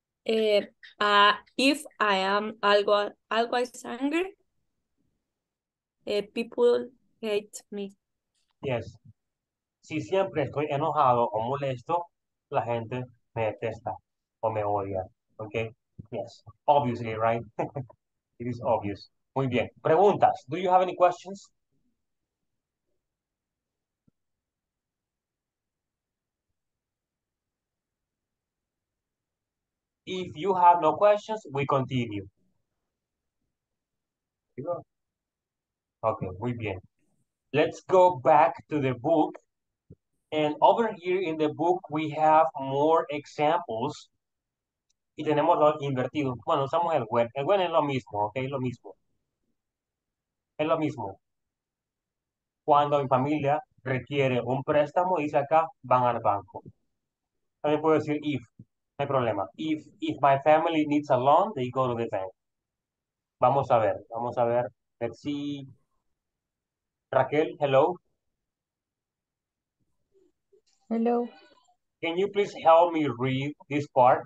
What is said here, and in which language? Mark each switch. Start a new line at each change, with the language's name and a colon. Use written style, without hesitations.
English: If I am always angry, people hate me. Yes.
Spanish: Si siempre estoy enojado o molesto, la gente me detesta o me odia.
English: Okay. Yes. Obviously, right? It is obvious.
Spanish: Muy bien. Preguntas.
English: Do you have any questions? If you have no questions, we continue. Okay,
Spanish: muy bien.
English: Let's go back to the book. And over here in the book, we have more examples.
Spanish: Y tenemos los invertidos. Bueno, usamos el when. El when es lo mismo, okay, lo mismo. Es lo mismo. Cuando mi familia requiere un préstamo, dice acá, van al banco. También puedo decir if. No hay problema.
English: If my family needs a loan, they go to the bank.
Spanish: Vamos a ver.
English: Let's see.
Spanish: Raquel, hello.
English: Hello. Can you please help me read this part?